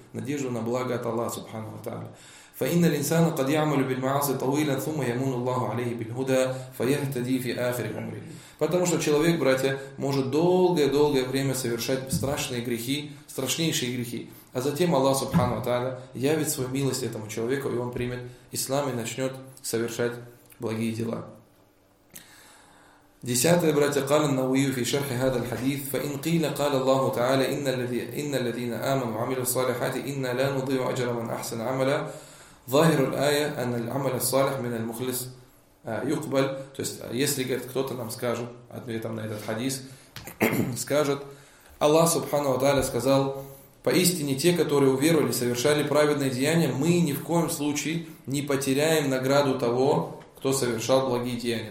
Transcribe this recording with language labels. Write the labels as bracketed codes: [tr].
[ru] Надежду на благо от Аллаха, субхана ва та'аля. [ar] فَإِنَّ الْإِنسَانَ قَدْ يَعْمَلُ بِالْمَعَاصِ طَوِيلًا ثُمَّ يَمُنُّ اللَّهُ عَلَيْهِ بِالْهُدَى فَيَهْتَدِي فِي آخِرِ عُمْرِهِ. [ru] Потому что человек, братья, может долгое-долгое время совершать страшные грехи, страшнейшие грехи, а затем Аллах Субхану ва Тааля явит свою милость этому человеку, и он примет ислам и начнет совершать благие дела. Десятое, братья, [ar] قال النووي في شرح هذا الحديث فإن قيل قال الله تعالى إن الذين آمنوا وعملوا الصالحات إن لا نضيع أجر من أحسن عملا ظاهر الآية أن العمل الصالح من المخلص يقبل. [ru] То есть если говорит, кто-то нам скажет ответом на этот хадис, скажет, Аллах Субхану ва Тааля сказал, поистине те, которые уверовали, совершали праведные деяния, мы ни в коем случае не потеряем награду того, кто совершал благие деяния.